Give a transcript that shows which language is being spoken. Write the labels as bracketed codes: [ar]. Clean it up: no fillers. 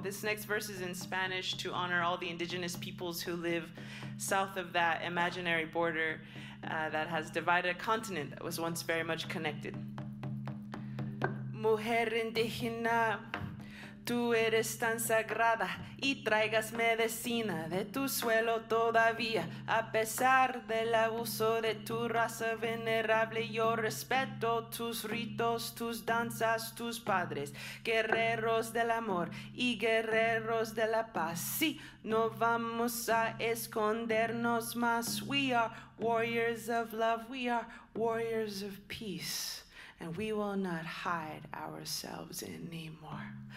[en] This next verse is in Spanish to honor all the indigenous peoples who live south of that imaginary border that has divided a continent that was once very much connected. [es] Mujer indígena, tú eres tan sagrada y traigas medicina de tu suelo todavía. A pesar del abuso de tu raza venerable, yo respeto tus ritos, tus danzas, tus padres, guerreros del amor y guerreros de la paz. Sí, no vamos a escondernos más. [en] We are warriors of love. We are warriors of peace. And we will not hide ourselves anymore.